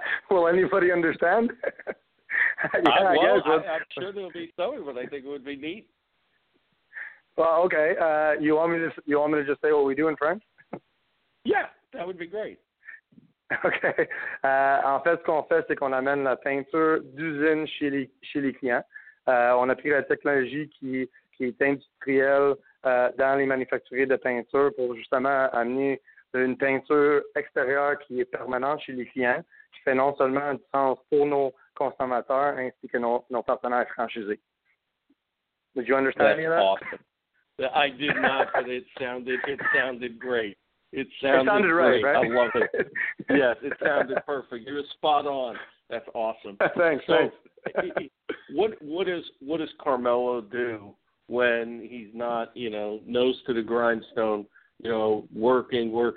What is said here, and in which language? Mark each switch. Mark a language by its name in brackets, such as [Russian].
[English] Will anybody understand? I'm sure there'll be somebody, but I think it would be neat. Well, okay. You want me to just say what we do in French? Yeah, that would be great. Okay. [French] En fait, ce qu'on fait, c'est qu'on amène la peinture d'usine chez les clients. On a pris la technologie qui est industrielle dans les manufacturiers de peinture pour justement amener une peinture extérieure qui est permanente chez les clients, qui fait non seulement du sens pour nos consommateurs ainsi que nos partenaires franchisés. [English] Did you understand me? That's awesome. I did not, but it sounded great. It sounded great. Right? I love it. Yes, it sounded perfect. You were spot on. That's awesome. Thanks. So, what does Carmelo do when he's not, you know, nose to the grindstone, you know, working?